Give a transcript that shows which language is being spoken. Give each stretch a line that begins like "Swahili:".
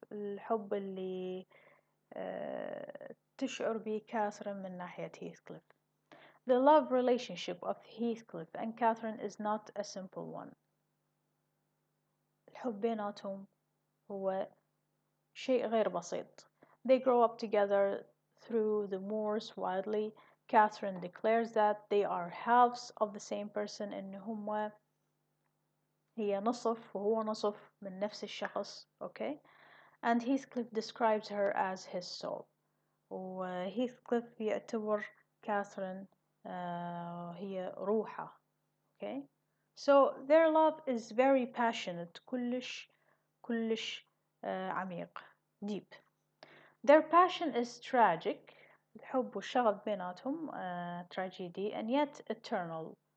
Arabic: الحب اللي تشعر به Catherine من ناحية Heathcliff.
English: The love relationship of Heathcliff and Catherine is not a simple one.
Arabic: الحب بيناتهم هو شيء غير بسيط.
English: They grow up together through the moors widely. Catherine declares that they are halves of the same person.
Arabic: إن هم هي نصف وهو نصف من نفس الشخص.
English: Okay. And Heathcliff describes her as his soul.
Arabic: وHeathcliff يعتبر Catherine هي روحه.
English: Okay. So their love is very passionate.
Arabic: كلش كلش عميق.
English: Deep. Their passion is tragic.
Arabic: الحب والشغف بيناتهم
English: tragedy and yet eternal.